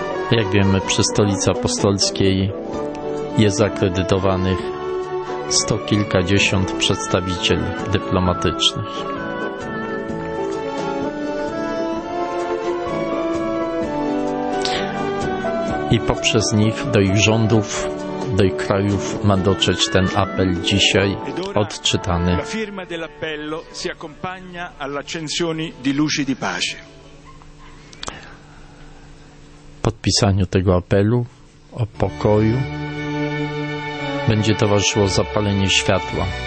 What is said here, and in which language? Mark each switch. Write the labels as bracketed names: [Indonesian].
[Polish] Jak wiemy, przy Stolicy Apostolskiej jest akredytowanych 150 przedstawicieli dyplomatycznych. I poprzez nich do ich rządów, do ich krajów ma dotrzeć ten apel dzisiaj odczytany. [Italian] La firma dell'appello si accompagna all'accensione di luci di pace. [Polish] Podpisaniu tego apelu o pokoju będzie towarzyszyło zapalenie światła.